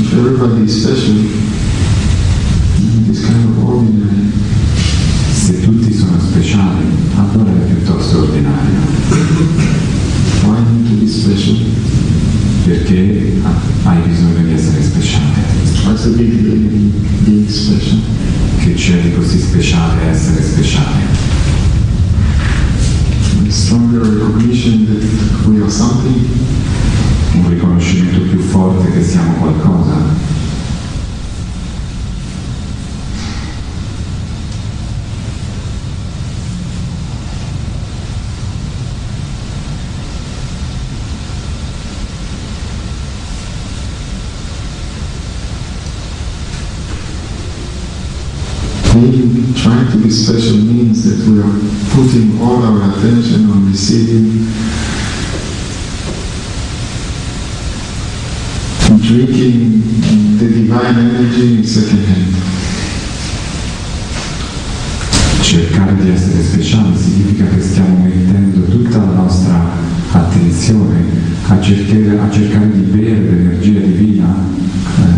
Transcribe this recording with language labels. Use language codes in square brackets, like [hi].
[en] If everybody is special, it's kind of ordinary. [it] Se tutti sono speciali, allora è piuttosto ordinario. [en] Why need to be special? [it] Perché hai bisogno di essere speciale. [en] What's the big thing in being special? [it] Che c'è di così speciale essere speciale? [en] Stronger recognition that we are something. [it] Un riconoscimento più forte che siamo qualcosa. [en] Maybe trying to be special means that we are putting all our attention on receiving and drinking the divine energy in second hand. [it] Cercare di essere speciali significa che stiamo mettendo tutta la nostra attenzione a cercare di bere l'energia divina